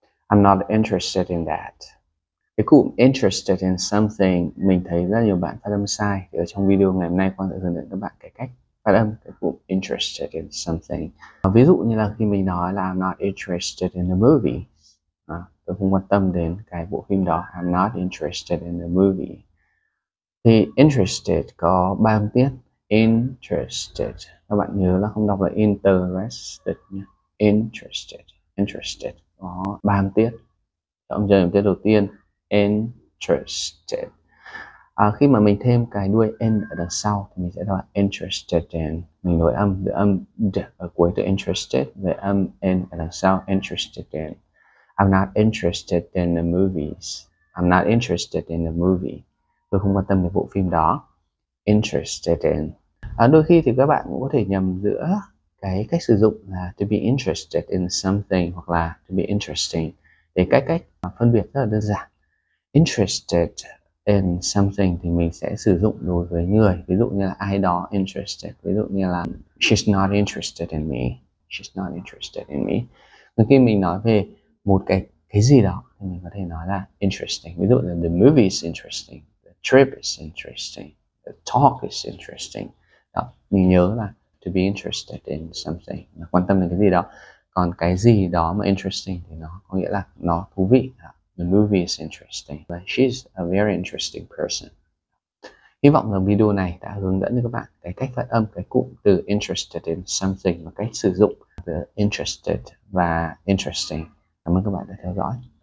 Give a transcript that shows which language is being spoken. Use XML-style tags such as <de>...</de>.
<en>I'm not interested in that.</en> <vi>Cái cụm</vi> <en>interested in something</en> <vi>mình thấy rất nhiều bạn phát âm sai. Thì ở trong video ngày hôm nay con sẽ hướng dẫn các bạn cái cách phát âm cái cụm</vi> <en>interested in something.</en> <vi>Ví dụ như là khi mình nói là</vi> <en>I'm not interested in the movie.</en> <vi>Tôi không quan tâm đến cái bộ phim đó.</vi> <en>I'm not interested in the movie.</en> <vi>Thì interested có ba âm tiết. Interested. Các bạn nhớ là không đọc là interested nhé. Interested. Interested. Có ba âm tiết. Âm dương âm tiết đầu tiên. Interested. Khi mà mình thêm cái đuôi n ở đằng sau thì mình sẽ đọc là interested in. Mình đổi âm, giữa âm d ở cuối từ interested với âm n ở đằng sau interested in.</vi> <en>I'm not interested in the movies. I'm not interested in the movie.</en> <vi>Tôi không quan tâm đến bộ phim đó. Interested in. Đôi khi thì các bạn cũng có thể nhầm giữa cái cách sử dụng là</vi> <en>to be interested in something</en> <vi>hoặc là to be interesting. Để cái cách phân biệt rất là đơn giản. Interested in something thì mình sẽ sử dụng đối với người. Ví dụ như là ai đó interested. Ví dụ như là</vi> <en>she's not interested in me. She's not interested in me.</en> <vi>Khi mình nói về một cái gì đó thì mình có thể nói là interesting. Ví dụ là</vi> <en>the movie is interesting, the trip is interesting, the talk is interesting.</en> <vi>Đó. Mình nhớ là</vi> <en>to be interested in something,</en> <vi>là quan tâm đến cái gì đó. Còn cái gì đó mà interesting thì nó có nghĩa là nó thú vị.</vi> <en>The movie is interesting. She's a very interesting person.</en> <vi>Hy vọng là video này đã hướng dẫn cho các bạn cái cách phát âm cái cụm từ</vi> <en>interested in something</en> <vi>và cách sử dụng the interested và interesting. Cảm ơn các bạn đã theo dõi.</vi>